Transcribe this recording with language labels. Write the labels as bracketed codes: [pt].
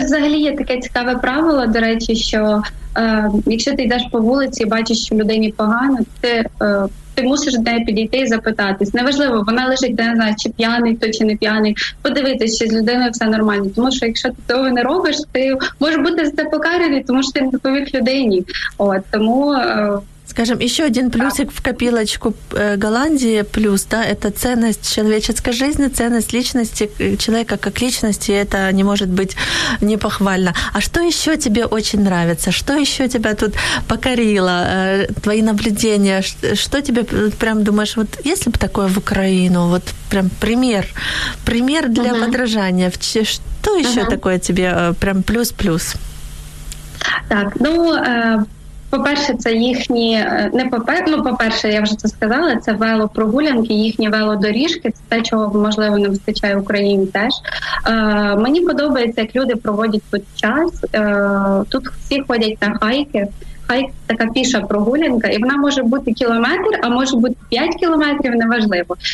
[uk] Тут взагалі є таке цікаве правило, до речі, що якщо ти йдеш по вулиці і бачиш, що людині погано, ти мусиш до неї підійти і запитатись. Неважливо, вона лежить, не знаю, чи п'яний, то чи не п'яний, подивитись, чи з людиною все нормально. Тому що якщо ти того не робиш, ти можеш бути за це покараний, тому що ти не допоміг людині. От, тому... [ru] Скажем, еще один плюсик в копилочку Голландии, плюс, да, это ценность человеческой жизни, ценность личности человека как личности, это не может быть непохвально. А что еще тебе очень нравится? Что еще тебя тут покорило? Твои наблюдения? Что тебе прям думаешь, вот если бы такое в Украину, вот прям пример для подражания, что еще такое тебе прям плюс-плюс? [uk] Так, ну... По-перше, це їхні не попер. Ну, по-перше, я вже це сказала. Це велопрогулянки, їхні велодоріжки. Це те, чого можливо не вистачає Україні. Теж мені подобається, як люди проводять тут час. Тут всі ходять на хайки. Хайк така піша прогулянка, і вона може бути кілометр, а може бути 5 кілометрів, неважливо.